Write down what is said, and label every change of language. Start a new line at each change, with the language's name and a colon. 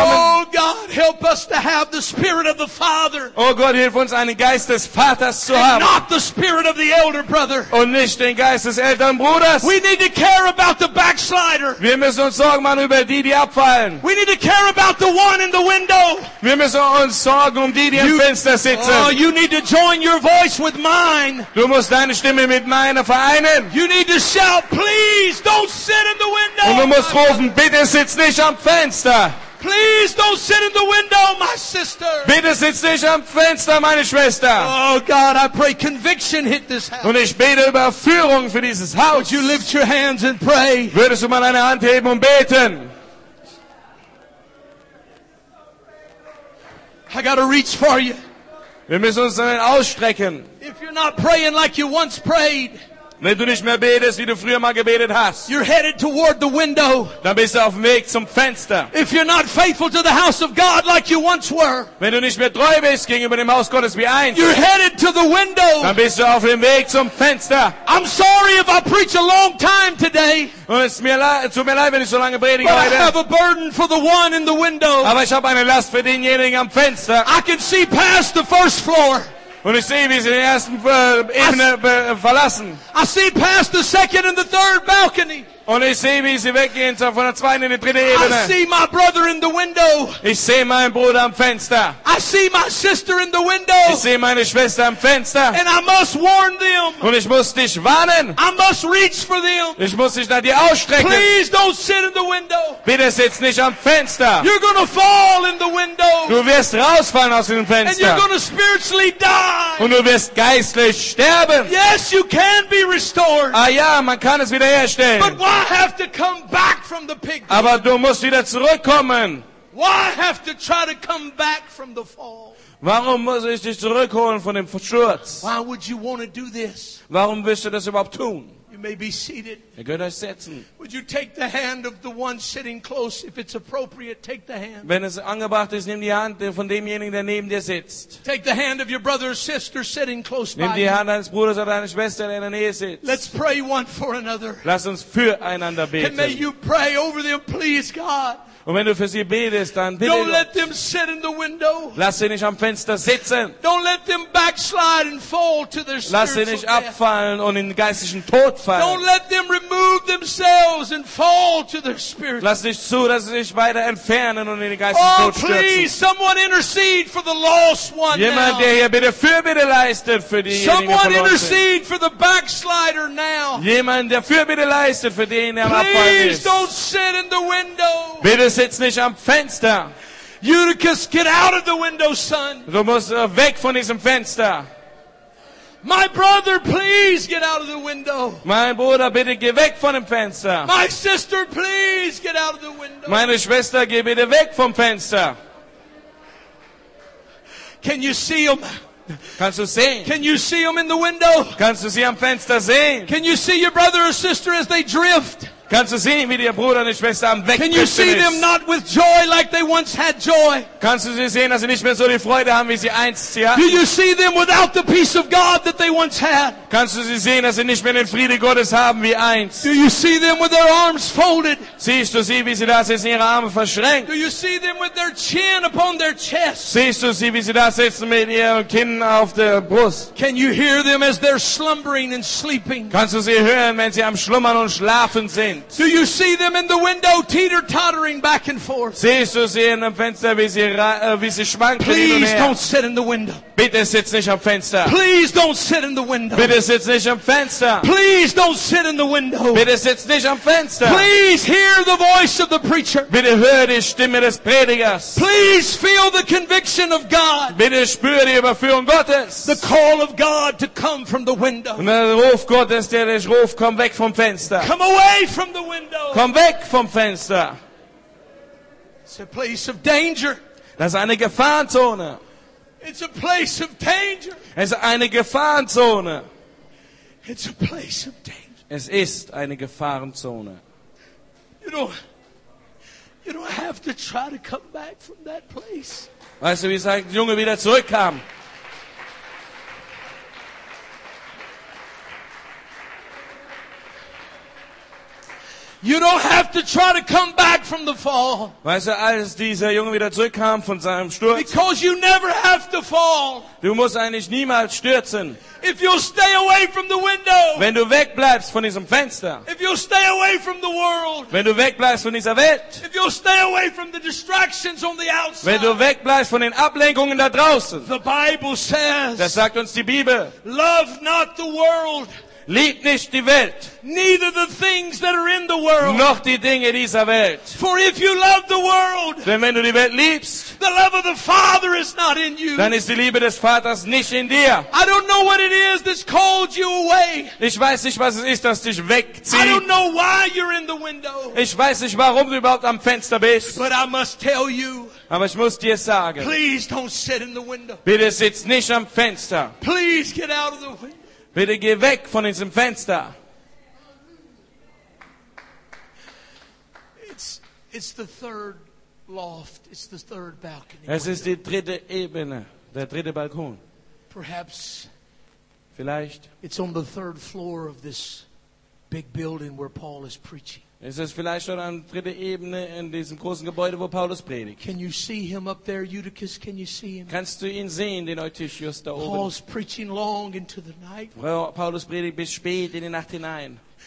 English: Oh God, help us to have the spirit of the Father.
German: Oh Gott, hilf uns, einen Geist des Vaters zu haben.
English: And not the spirit of the elder brother.
German: Und nicht den Geist des älteren Bruders.
English: We need to care about the backslider.
German: Wir müssen uns Sorgen machen über die, die abfallen.
English: We need to care about the one in the window.
German: Wir müssen uns Sorgen um die, die am Fenster sitzen.
English: Oh, you need to join your voice with mine.
German: Du musst deine Stimme mit meiner vereinen.
English: You need to shout, please don't sit in the window.
German: Und du musst rufen, bitte sitz nicht am Fenster.
English: Please don't sit in the window, my sister.
German: Bitte sitz nicht am Fenster, meine Schwester.
English: Oh God, I pray conviction hit this house.
German: Und ich bete über Führung für dieses Haus.
English: Would you lift your hands and pray?
German: Würdest du mal deine Hand heben und beten?
English: I gotta reach for you.
German: Wir müssen uns dann ausstrecken.
English: If you're not praying like you once prayed.
German: Wenn du nicht mehr betest, wie du früher mal gebetet hast.
English: You're headed toward the window.
German: Dann bist du auf dem Weg zum Fenster.
English: If you're not faithful to the house of God like you once were.
German: Wenn du nicht mehr treu bist gegenüber dem Haus Gottes wie einst.
English: You're headed to the window.
German: Dann bist du auf dem Weg zum Fenster.
English: I'm sorry if I preach a long time today.
German: Und es tut mir leid, wenn ich so lange predige heute.
English: But I have a burden for the one in the window.
German: Aber ich habe eine Last für denjenigen am Fenster.
English: I can see past the first floor.
German: Und ich sehe, wie sie den ersten Ebene verlassen.
English: I see past the second and the third balcony.
German: Und ich sehe, wie sie weggehen von der zweiten in die dritte Ebene.
English: I see my brother in the window.
German: Ich sehe meinen Bruder am Fenster.
English: I see my sister in the window.
German: Ich sehe meine Schwester am Fenster.
English: And I must warn them.
German: Und ich muss dich warnen.
English: I must reach for them.
German: Ich muss dich nach dir ausstrecken.
English: Please don't sit in the window.
German: Bitte sitz nicht am Fenster.
English: You're gonna fall in the window.
German: Du wirst rausfallen aus dem Fenster.
English: And you're gonna spiritually die.
German: Und du wirst geistlich sterben.
English: Yes, you can be restored.
German: Ah ja, man kann es wiederherstellen.
English: But why? I have to come back from the pig.
German: Aber du musst wieder zurückkommen.
English: Why have to try to come back from the fall?
German: Warum muss ich dich zurückholen von dem Sturz?
English: Why would you want to do this?
German: Warum willst du das überhaupt tun?
English: You may be seated.
German: Ihr könnt euch setzen.
English: Would you take the hand of the one sitting close if it's appropriate? Take the hand.
German: Wenn es angebracht ist, nimm die Hand von demjenigen, der neben dir sitzt.
English: Take the hand of your brother or sister sitting close by.
German: Nimm die Hand eines Bruders oder einer Schwester, der in der Nähe sitzt.
English: Let's pray one for another.
German: Lass uns füreinander beten.
English: And may you pray over them, please, God.
German: Und wenn du für sie betest, dann bitte.
English: Don't let them sit in the window.
German: Lass sie nicht am Fenster sitzen.
English: Don't let them backslide and fall to their spiritual death.
German: Lass sie nicht abfallen und in den geistlichen Tod fallen.
English: Don't let them remove themselves and fall to their spiritual death.
German: Lass nicht zu, dass sie sich weiter entfernen und in den geistlichen Tod stürzen.
English: Oh, please, someone intercede for the lost one.
German: Jemand, der hier bitte Fürbitte leistet für diejenigen, die verloren sind.
English: Someone intercede for the backslider now.
German: Jemand, der Fürbitte leistet für den, der am Abfall ist.
English: Please don't sit in the window.
German: Bitte sitz nicht am Fenster.
English: Eutychus, get out of the window, son.
German: Du musst weg von diesem Fenster.
English: My brother, please get out of the window.
German: Mein Bruder, bitte geh weg von dem Fenster.
English: My sister, please get out of the window.
German: Meine Schwester, geh bitte weg vom Fenster.
English: Can you see him?
German: Kannst du sehen?
English: Can you see him in the window?
German: Kannst du sie am Fenster sehen?
English: Can you see your brother or sister as they drift?
German: Kannst du sehen, wie dein Bruder und deine Schwester am Weg sind?
English: Can you see them not with joy like they once had joy?
German: Kannst du sie sehen, dass sie nicht mehr so die Freude haben, wie sie einst hatten?
English: Do you see them without the peace of God that they once had?
German: Kannst du sie sehen, dass sie nicht mehr den Frieden Gottes haben, wie einst?
English: Do you see them with their arms folded?
German: Siehst du sie, wie sie da sitzen, ihre Arme verschränkt?
English: Do you see them with their chin upon their chest?
German: Siehst du sie, wie sie da sitzen, mit ihrem Kinn auf der Brust?
English: Can you hear them as they're slumbering and sleeping?
German: Kannst du sie hören, wenn sie am Schlummern und Schlafen sind?
English: Do you see them in the window teeter-tottering back and forth?
German: Siehst du sie in dem Fenster, wie sie schwanken?
English: Please don't sit in the window.
German: Bitte sitz nicht am Fenster.
English: Please don't sit in the window.
German: Bitte sitz nicht am Fenster.
English: Please don't sit in the window.
German: Bitte sitz nicht am Fenster.
English: Please hear the voice of the preacher.
German: Bitte hör die Stimme des Predigers.
English: Please feel the conviction of God.
German: Bitte spür die Überführung Gottes.
English: The call of God to come from the window.
German: Und der Ruf Gottes, der dich ruft, komm weg vom Fenster.
English: Come away from the window.
German: Komm weg vom Fenster.
English: It's a place of danger.
German: Das ist eine Gefahrzone.
English: It's a place of danger.
German: Es ist eine Gefahrzone.
English: It's a place of danger.
German: Es ist eine Gefahrzone.
English: You don't have to try to come back from that place.
German: Weißt du, wie sein Junge wieder zurückkam?
English: You don't have to try to come back from the fall.
German: Weißt du, als dieser Junge wieder zurückkam von seinem Sturz.
English: Because you never have to fall.
German: Du musst eigentlich niemals stürzen.
English: If you stay away from the window.
German: Wenn du wegbleibst von diesem Fenster.
English: If you stay away from the world.
German: Wenn du wegbleibst von dieser Welt.
English: If you stay away from the distractions on the outside.
German: Wenn du wegbleibst von den Ablenkungen da draußen.
English: The Bible says.
German: Das sagt uns die Bibel.
English: Love not the world.
German: Lieb nicht die Welt.
English: Neither the things that are in the world.
German: Noch die Dinge dieser Welt.
English: For if you love the world.
German: Denn wenn du die Welt liebst.
English: The love of the Father is not in you.
German: Dann ist die Liebe des Vaters nicht in dir.
English: I don't know what it is that's called you away.
German: Ich weiß nicht, was es ist, das dich wegzieht.
English: I don't know why you're in the window.
German: Ich weiß nicht, warum du überhaupt am Fenster bist.
English: But I must tell you.
German: Aber ich muss dir sagen.
English: Please don't sit in the window.
German: Bitte sitz nicht am Fenster.
English: Please get out of the window.
German: Bitte geh weg von diesem Fenster.
English: It's the third loft. It's the third balcony.
German: Es ist die dritte Ebene, der dritte Balkon.
English: Perhaps.
German: Vielleicht.
English: It's on the third floor of this big building where Paul is preaching.
German: Es ist vielleicht schon an der dritten Ebene in diesem großen Gebäude, wo Paulus predigt.
English: Can you see him up there, Eutychus? Can you see him?
German: Kannst du ihn sehen, den Eutychius da oben?
English: Paul's preaching long into the night.
German: Well, Paulus predigt bis spät in die Nacht hinein.